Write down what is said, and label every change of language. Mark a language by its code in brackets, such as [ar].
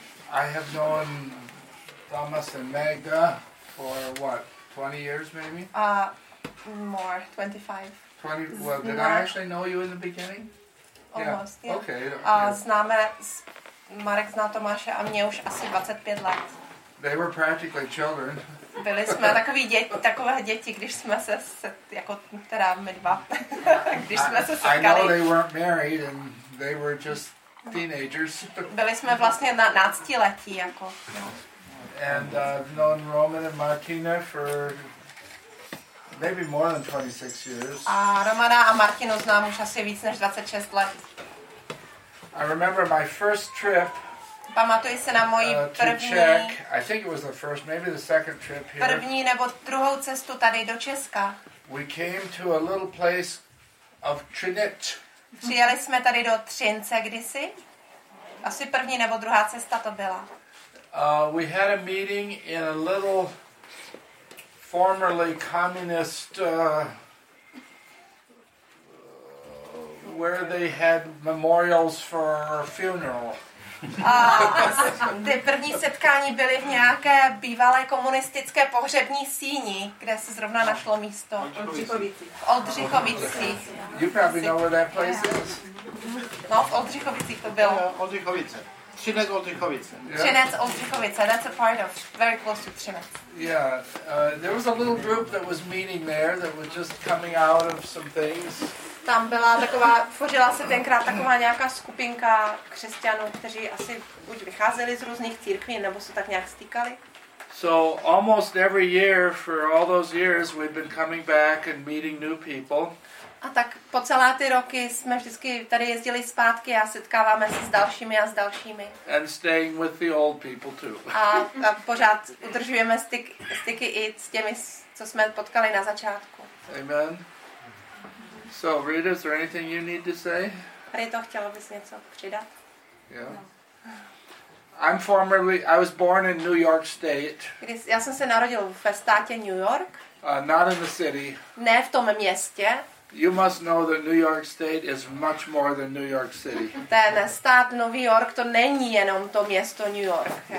[en] I have known Thomas and Magda for what? 20 years maybe? More, 25. 20, well, did Mark. I actually know you in the beginning? Almost, yeah. Okay. [cs] Známe, Marek zná Tomáše a mě už asi 25 let. [en] They were practically children. [cs] Byli jsme takový děti, takové děti, když jsme se jako teda my dva, když jsme se setkali. [en] I know they weren't married and they were just teenagers. [cs] Byli jsme vlastně na náctiletí jako. [en] And I've known Roman and Martina for maybe more than 26 years. [cs] A Romana a Martinu znám už asi víc než 26 let. [en] I remember my first trip. [cs] Pamatuji se na moji první. [en] Czech. I think it was the first, maybe the second trip here. [cs] První nebo druhou cestu tady do Česka. We came to a little place of Třinec. Přijeli jsme tady do Třince kdysi. Asi první nebo druhá cesta to byla. [en] We had a meeting in a little formerly communist where they had memorials for funeral. [cs] Ty první setkání byly v nějaké bývalé komunistické pohřební síni, kde se zrovna našlo místo. Oldřichovicích. [en] You probably know where that place is. [cs] No, v Oldřichovicích to bylo. Třinec Oldřichovice. [en] That's a part of, very close to Třinec. Yeah, there was a little group that was meeting there that was just coming out of some things. [cs] Tam byla taková, tvořila se tenkrát taková nějaká skupinka křesťanů, kteří asi buď vycházeli z různých církví, nebo se tak nějak stýkali. [en] So almost every year for all those years we've been coming back and meeting new people. [cs] A tak po celá ty roky jsme vždycky tady jezdili zpátky a setkáváme se s dalšími a s dalšími. [en] And staying with the old people too. [cs] A pořád udržujeme styky i s těmi, co jsme potkali na začátku. [en] Amen. So, Rita, is there anything you need to say? [cs] Rito, chtěla bys něco přidat? [en] Yeah. No. I was born in New York State. [cs] Já jsem se narodil ve státě New York. [en] Not in the city. [cs] Ne v tom městě. [en] You must know that New York State is much more than New York City. [cs] Ten stát Nový York to není jenom to město New York.